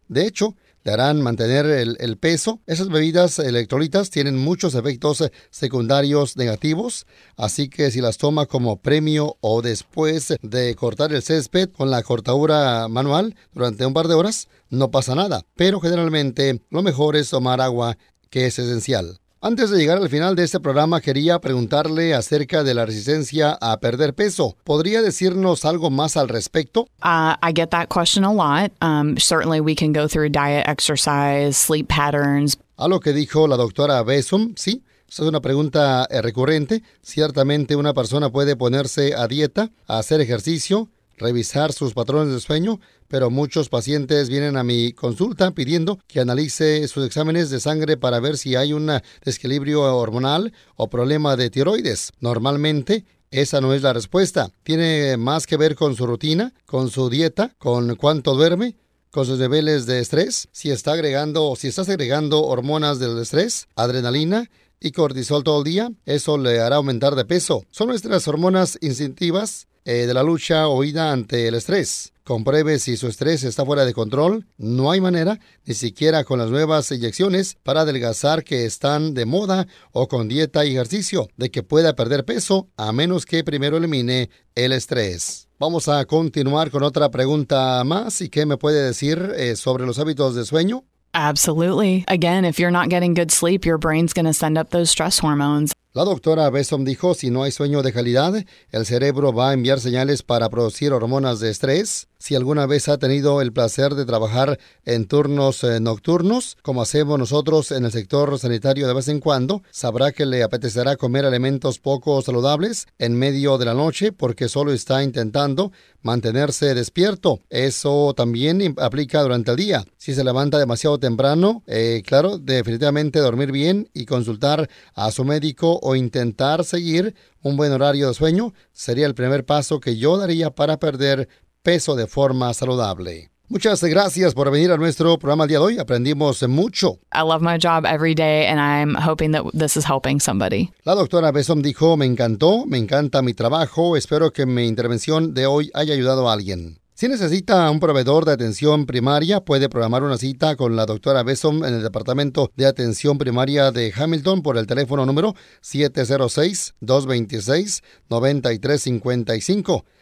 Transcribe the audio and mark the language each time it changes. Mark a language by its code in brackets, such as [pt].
[es] De hecho, te harán mantener el peso. Esas bebidas electrolitas tienen muchos efectos secundarios negativos, así que si las toma como premio o después de cortar el césped con la cortadura manual durante un par de horas, no pasa nada. Pero generalmente lo mejor es tomar agua, que es esencial. Antes de llegar al final de este programa, quería preguntarle acerca de la resistencia a perder peso. ¿Podría decirnos algo más al respecto? [en] I get that question a lot. Certainly we can go through diet, exercise, sleep patterns. [es] A lo que dijo la doctora Besum, sí. Esa es una pregunta recurrente. Ciertamente una persona puede ponerse a dieta, a hacer ejercicio, revisar sus patrones de sueño, pero muchos pacientes vienen a mi consulta pidiendo que analice sus exámenes de sangre para ver si hay un desequilibrio hormonal o problema de tiroides. Normalmente, esa no es la respuesta. Tiene más que ver con su rutina, con su dieta, con cuánto duerme, con sus niveles de estrés, si está segregando hormonas del estrés, adrenalina y cortisol todo el día, eso le hará aumentar de peso. Son nuestras hormonas instintivas de la lucha o huida ante el estrés. Compruebe si su estrés está fuera de control. No hay manera, ni siquiera con las nuevas inyecciones para adelgazar que están de moda o con dieta y ejercicio, de que pueda perder peso a menos que primero elimine el estrés. Vamos a continuar con otra pregunta más. ¿Y qué me puede decir sobre los hábitos de sueño? [en] Absolutely. Again, if you're not getting good sleep, your brain's going to send up those stress hormones. [es] La doctora Besom dijo, si no hay sueño de calidad, el cerebro va a enviar señales para producir hormonas de estrés. Si alguna vez ha tenido el placer de trabajar en turnos nocturnos, como hacemos nosotros en el sector sanitario de vez en cuando, sabrá que le apetecerá comer alimentos poco saludables en medio de la noche porque solo está intentando mantenerse despierto. Eso también aplica durante el día. Si se levanta demasiado temprano, claro, definitivamente dormir bien y consultar a su médico o intentar seguir un buen horario de sueño sería el primer paso que yo daría para perder peso de forma saludable. Muchas gracias por venir a nuestro programa el día de hoy. Aprendimos mucho. [en] I love my job every day and I'm hoping that this is helping somebody. [es] La doctora Besom dijo, me encanta mi trabajo. Espero que mi intervención de hoy haya ayudado a alguien. Si necesita un proveedor de atención primaria, puede programar una cita con la doctora Besom en el Departamento de Atención Primaria de Hamilton por el teléfono número 706-226-9355.